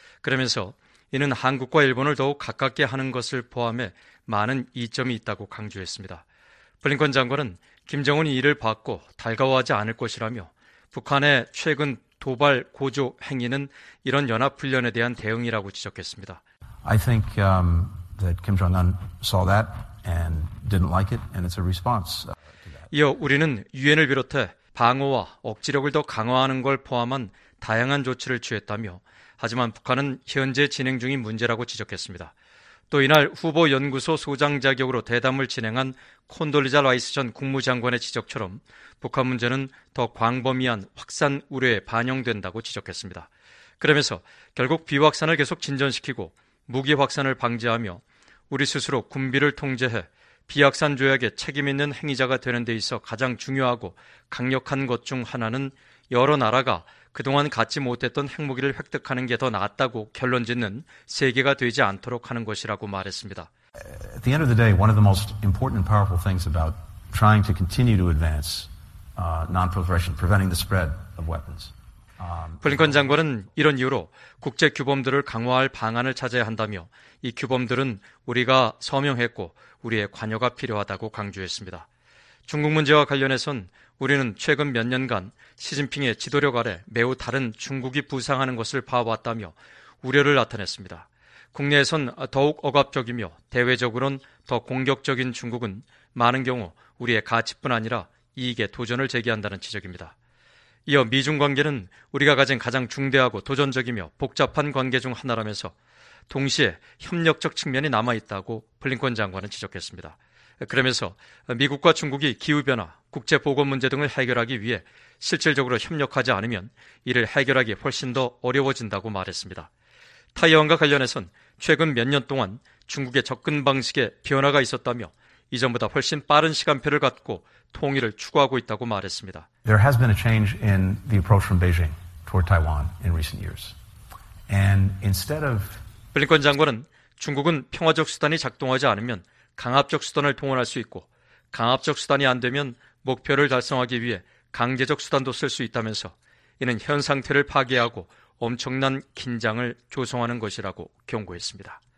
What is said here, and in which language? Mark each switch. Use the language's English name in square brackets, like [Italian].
[Korean] 그러면서 이는 한국과 일본을 더욱 가깝게 하는 것을 포함해 많은 이점이 있다고 강조했습니다. 블링컨 장관은 김정은이 이를 받고 달가워하지 않을 것이라며 북한의 최근 도발 고조 행위는 이런 연합 훈련에 대한 대응이라고 지적했습니다. [English] I think that Kim Jong-un saw that and didn't like it and it's a response. [Korean] 이어 우리는 유엔을 비롯해 방어와 억지력을 더 강화하는 걸 포함한 다양한 조치를 취했다며 하지만 북한은 현재 진행 중인 문제라고 지적했습니다. 또 이날 후보 연구소 소장 자격으로 대담을 진행한 콘돌리자 라이스 전 국무장관의 지적처럼 북한 문제는 더 광범위한 확산 우려에 반영된다고 지적했습니다. 그러면서 결국 비확산을 계속 진전시키고 무기 확산을 방지하며 우리 스스로 군비를 통제해 비확산 조약에 책임 있는 행위자가 되는 데 있어 가장 중요하고 강력한 것 중 하나는 여러 나라가 그동안 갖지 못했던 핵무기를 획득하는 게 더 낫다고 결론짓는 세계가 되지 않도록 하는 것이라고 말했습니다. [English] At the end of the day, one of the most important and powerful things about trying to continue to advance non-proliferation, preventing the spread of weapons. [Korean] 블링컨 장관은 이런 이유로 국제 규범들을 강화할 방안을 찾아야 한다며 이 규범들은 우리가 서명했고 우리의 관여가 필요하다고 강조했습니다. 중국 문제와 관련해선 우리는 최근 몇 년간 시진핑의 지도력 아래 매우 다른 중국이 부상하는 것을 봐왔다며 우려를 나타냈습니다. 국내에선 더욱 억압적이며 대외적으로는 더 공격적인 중국은 많은 경우 우리의 가치뿐 아니라 이익에 도전을 제기한다는 지적입니다. 이어 미중 관계는 우리가 가진 가장 중대하고 도전적이며 복잡한 관계 중 하나라면서 동시에 협력적 측면이 남아있다고 블링컨 장관은 지적했습니다. 그러면서 미국과 중국이 기후변화, 국제보건 문제 등을 해결하기 위해 실질적으로 협력하지 않으면 이를 해결하기 훨씬 더 어려워진다고 말했습니다. 타이완과 관련해선 최근 몇 년 동안 중국의 접근 방식에 변화가 있었다며 이전보다 훨씬 빠른 시간표를 갖고 통일을 추구하고 있다고 말했습니다. [English] There has been a change in the approach from Beijing toward Taiwan in recent years. And instead of [Korean] 블링컨 장관은 중국은 평화적 수단이 작동하지 않으면 강압적 수단을 동원할 수 있고 강압적 수단이 안 되면 목표를 달성하기 위해 강제적 수단도 쓸 수 있다면서 이는 현 상태를 파괴하고 엄청난 긴장을 조성하는 것이라고 경고했습니다.